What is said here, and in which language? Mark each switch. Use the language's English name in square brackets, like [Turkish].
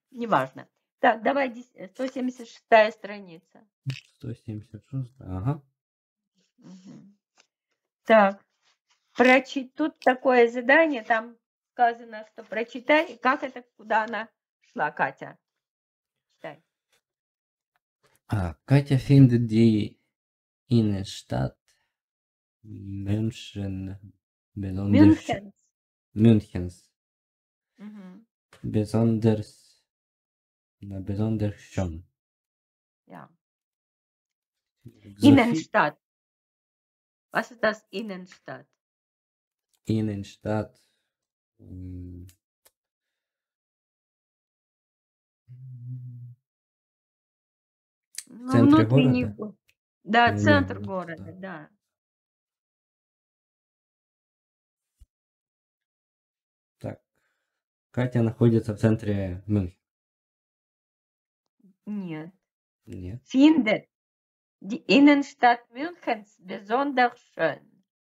[Russian] Неважно. Так, давай, 176-я страница. 176-я, ага. Угу. Так. Тут такое задание, там сказано, что прочитай, как это, куда она шла, Катя. [German] Катя findet die Innenstadt München besonders Münchens besonders na besonders schön. Ja. Innenstadt. Was ist das Innenstadt? Innenstadt. [Russian] Ну, внутренний. Да, центр города, да. Так. Катя находится в центре Мюнхена. Нет. Нет. [German] Findet die Innenstadt Münchens besonders schön.